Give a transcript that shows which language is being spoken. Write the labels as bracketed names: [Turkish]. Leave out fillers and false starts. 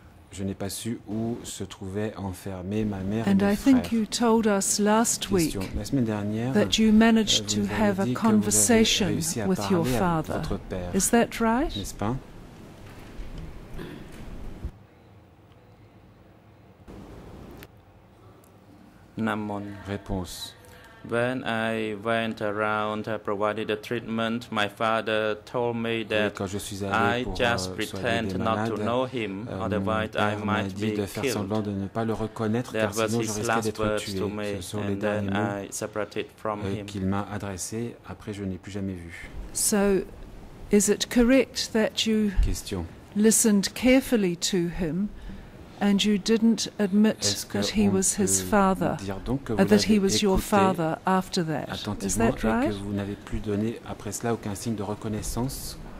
[French] Je n'ai pas su où se trouvait enfermée ma mère [English] and [French] et mes [English] I think you told us last week [French] la semaine dernière, [English] that you managed to have a conversation with your father. [French] Votre père. [English] Is that right? [French] N'est-ce pas? Namon. Réponse. [English] When I went around, I provided the treatment. My father told me that I just pretend not to know him, otherwise I might be killed. [French] De faire semblant de ne pas le reconnaître, car sinon je risquais d'être tué. Ce sont les derniers mots qu'il m'a adressé. Après, je n'ai plus jamais vu. [English] So, is it correct that you listened carefully to him? And you didn't admit that he was his father, that he was your father after that. Is that right? [French] Attentivement, que vous n'avez plus donné après cela aucun signe de reconnaissance.